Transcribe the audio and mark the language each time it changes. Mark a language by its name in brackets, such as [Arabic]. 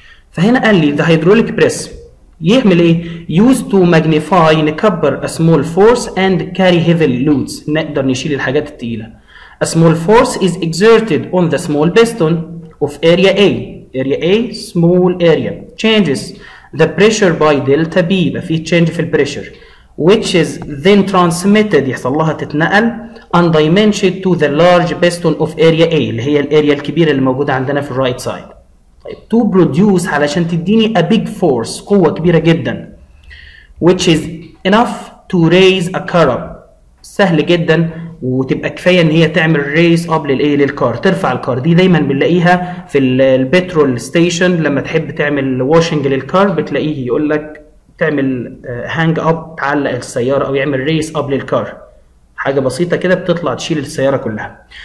[Arabic] فهنا قال لي [English] the hydraulic press [Arabic] يعمل ايه، [English] use to magnify, [Arabic] نكبر [English] a small force and carry heavy loads, [Arabic] نقدر نشيل الحاجات الثقيله. [English] A small force is exerted on the small piston of area A. Area A, small area. Changes the pressure by delta B. [Arabic] يبقى في change في البريشر. [English] Which is then transmitted. [Arabic] يحصل لها تتنقل. [English] And dimension to the large piston of area A. [Arabic] اللي هي الاريا الكبيرة اللي موجودة عندنا في الرايت سايد. طيب [English] to produce [Arabic] علشان تديني [English] a big force. [Arabic] قوة كبيرة جدا. [English] Which is enough to raise a car up. [Arabic] سهل جدا. وتبقى كفايه ان هي تعمل [English] raise up [Arabic] للايه، للكار، ترفع الكار. دي دايما بنلاقيها في البترول ستيشن، لما تحب تعمل واشنج للكار بتلاقيه يقول لك تعمل [English] hang up, [Arabic] تعلق السياره او يعمل [English] raise up [Arabic] للكار، حاجه بسيطه كده بتطلع تشيل السياره كلها.